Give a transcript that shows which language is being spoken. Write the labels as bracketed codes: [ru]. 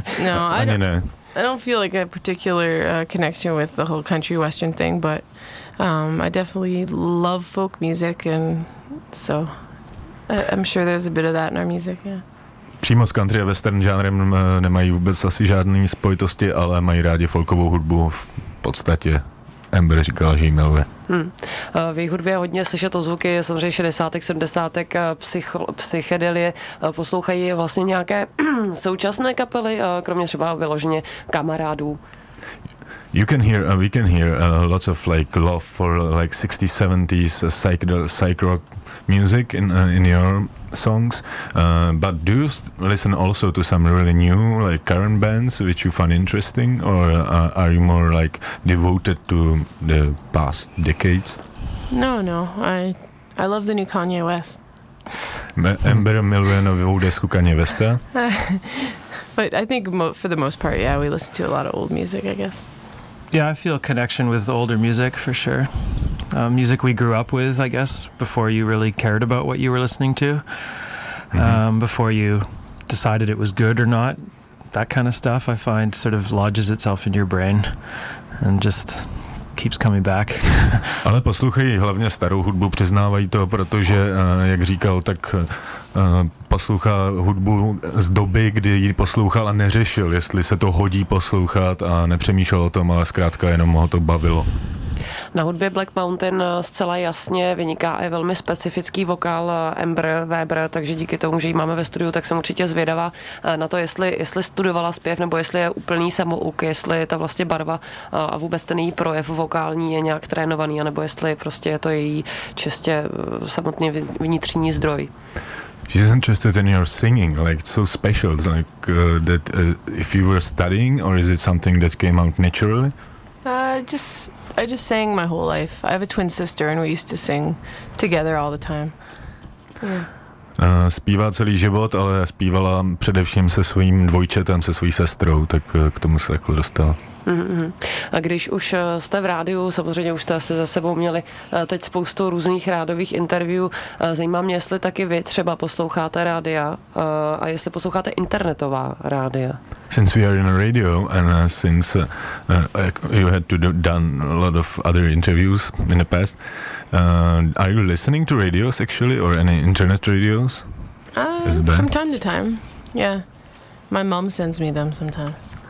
[en] No, I don't feel like a particular connection with the whole country Western thing, but I definitely love folk music, and so. I'm sure there's a bit of that in our music, yeah. [cs] Přímo s country a western žánrem nemají vůbec asi žádné spojitosti, ale mají rádi folkovou hudbu v podstatě. Amber říkala, že jí miluje. Hmm. V jejich hudbě je hodně slyšet o zvuky, samozřejmě 60. 70. psychedelie. Poslouchají vlastně nějaké současné kapely, kromě třeba vyloženě Kamarádů. [en] You can hear, we can hear lots of like love for like 60s, 70s psych rock music in your songs. But do you listen also to some really new like current bands which you find interesting, or are you more like devoted to the past decades? No, I love the new Kanye West. [cs] Amber miluje novou desku Kanye Westa. [en] But I think for the most part, yeah, we listen to a lot of old music, I guess. Yeah, I feel a connection with older music for sure. Music we grew up with, I guess, before you really cared about what you were listening to. Mm-hmm. Before you decided it was good or not. That kind of stuff, I find, sort of lodges itself in your brain and just keeps coming back. [cs] Ale poslouchají hlavně starou hudbu, přiznávají to, protože, jak říkal, tak poslouchá hudbu z doby, kdy ji poslouchal a neřešil, jestli se to hodí poslouchat, a nepřemýšlel o tom, ale zkrátka jenom ho to bavilo. Na hudbě Black Mountain zcela jasně vyniká i velmi specifický vokál Amber Weber, takže díky tomu, že ji máme ve studiu, tak jsem určitě zvědavá na to, jestli studovala zpěv, nebo jestli je úplný samouk, jestli ta vlastně barva a vůbec ten její projev vokální je nějak trénovaný, anebo jestli prostě je to její čistě samotný vnitřní zdroj. [en] She's interested in your singing, like so special, like that if you were studying, or is it something that came out naturally? I just sang my whole life. I have a twin sister and we used to sing together all the time. [cs] Zpívá celý život, ale zpívala především se svým dvojčetem, se svojí sestrou, tak k tomu se takhle dostala. Mm-hmm. A když už jste v rádiu, samozřejmě už jste asi za sebou měli teď spoustu různých rádových interview, zajímá mě, jestli taky vy třeba posloucháte rádia a jestli posloucháte internetová rádia. [en] Since we are in a radio and since you had to done a lot of other interviews in the past, are you listening to radios actually or any internet radios? From time to time, yeah. My mom sends me them sometimes.